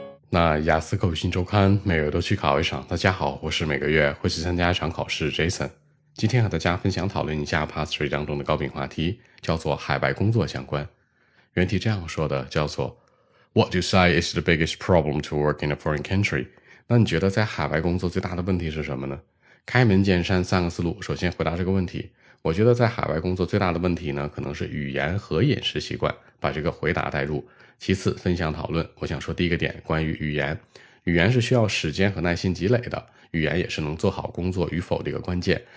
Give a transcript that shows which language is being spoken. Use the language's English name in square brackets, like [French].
[Chinese] 那雅思口语新周刊每月都去考一场。大家好，我是每个月会去参加一场考试 Jason。今天和大家分享讨论一下 Part 3当中的高频话题，叫做海外工作相关。原题这样说的，叫做 [English] What do you say is the biggest problem to work in a foreign country? [Chinese] 那你觉得在海外工作最大的问题是什么呢？开门见山三个思路，首先回答这个问题。我觉得在海外工作最大的问题呢，可能是语言和饮食习惯，把这个回答带入。其次分享讨论，我想说第一个点，关于语言。语言是需要时间和耐心积累的，语言也是能做好工作与否的一个关键。